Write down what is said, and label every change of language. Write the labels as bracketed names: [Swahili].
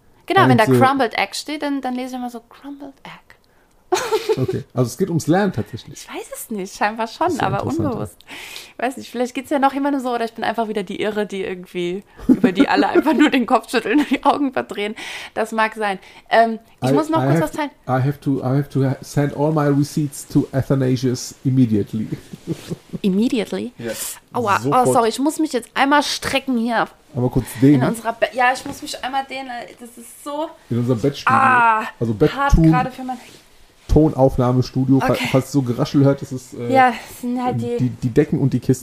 [German] Genau, wenn da Crumbled Egg steht, dann lese ich immer so Crumbled Egg. Okay, also es geht ums Lernen tatsächlich. Ich weiß es nicht, scheinbar schon, aber unbewusst. Ja. weiß nicht, vielleicht geht es ja noch jemandem so, oder ich bin einfach wieder die Irre, die irgendwie, über die alle einfach nur den Kopf schütteln und die Augen verdrehen. Das mag sein. Ich muss noch kurz was teilen. [English] I have to send all my receipts to Athanasius immediately. Immediately? Yes. [German] Aua, oh, sorry, ich muss mich jetzt einmal strecken hier. Aber kurz dehnen. Ja, ich muss mich einmal dehnen, das ist so. In unserem Bettstudio. Ah, also Bettstudio. Gerade für mein Tonaufnahmestudio, okay. Falls du so Geraschel hört, das ist ja, das sind halt die Decken und die Kissen.